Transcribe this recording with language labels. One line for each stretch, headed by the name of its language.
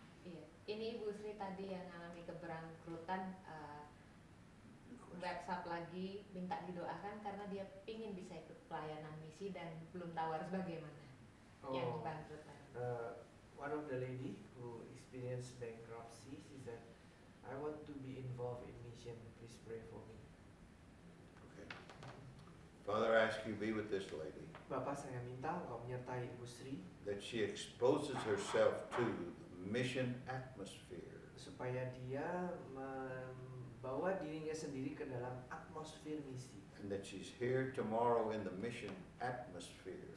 Indonesian: Iya, ini Ibu Sri tadi yang mengalami keberangkrutan, WhatsApp lagi minta didoakan karena dia ingin bisa ikut pelayanan misi dan belum tahu harus bagaimana. Oh. Yang keberangkrutan.
English: One of the lady who experienced bankruptcy, she said, "I want to be involved in mission. Please pray for me." Okay. Father, I ask you be with this lady.
Indonesian: Bapak, saya minta engkau menyertai Ibu Sri.
English: That she exposes herself to the mission atmosphere.
Indonesian: Supaya dia membawa dirinya sendiri ke dalam atmosfer misi.
English: And that she's here tomorrow in the mission atmosphere.